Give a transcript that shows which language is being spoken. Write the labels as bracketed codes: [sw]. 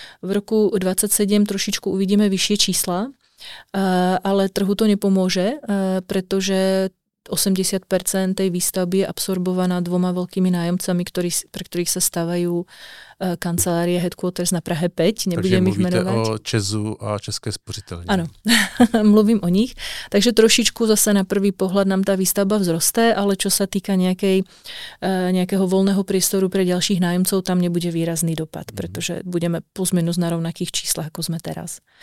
[sk] V roku 27 trošičku uvidíme vyššie čísla, ale trhu to nepomôže, pretože 80% tej výstavby je absorbovaná dvoma veľkými nájomcami, pre ktorých sa stavajú kancelárie headquarters na Prahe 5. Nebudem ich menovať. [cs] Takže mluvíte o ČEZu a České spořitelně. [sk] Áno, mluvím o nich. Takže trošičku zase na prvý pohľad nám tá výstavba vzroste, ale čo sa týka nejakého voľného priestoru pre ďalších nájomcov, tam nebude výrazný dopad, pretože budeme plus minus na rovnakých číslach, ako sme teraz.